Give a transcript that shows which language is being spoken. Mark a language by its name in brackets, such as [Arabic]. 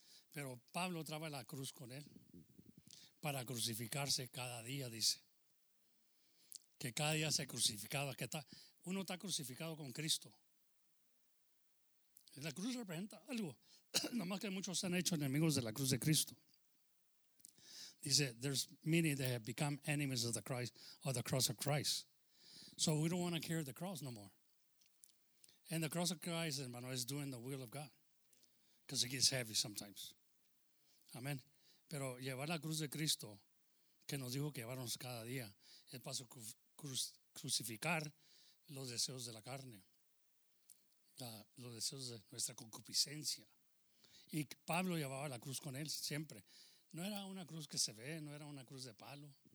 [Spanish] Pero Pablo traba la cruz con él para crucificarse cada día, dice. Que cada día se crucificaba. Que está, uno está crucificado con Cristo. La cruz representa algo. Nomás que muchos se han hecho enemigos de la cruz de Cristo. [English] Dice, there's many that have become enemies of the Christ, or the cross of Christ. So we don't want to carry the cross no more. And the cross of Christ, hermano, is doing the will of God. Because it gets heavy sometimes. Amén. [Spanish] Pero llevar la cruz de Cristo, que nos dijo que lleváramos cada día, es para crucificar los deseos de la carne, los deseos de nuestra concupiscencia. Y Pablo llevaba la cruz con él siempre. No era una cruz que se ve, no era una cruz de palo.